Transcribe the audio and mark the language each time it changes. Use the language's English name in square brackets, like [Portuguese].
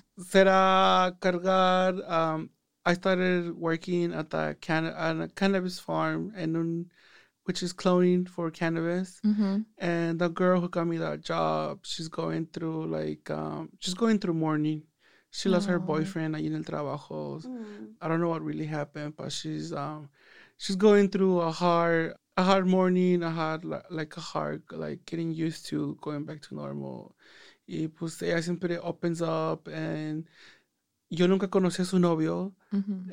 [Spanish] Será cargar. [English] I started working at the cannabis farm, which is cloning for cannabis. Mm-hmm. And the girl who got me that job, she's going through mourning. She lost her boyfriend [Spanish] ahí en el trabajo. [English] I don't know what really happened, but she's going through a hard mourning, a hard getting used to going back to normal. [Spanish] Y pues ella siempre [English] opens up and. [Spanish] Yo nunca conocí a su novio, mm-hmm.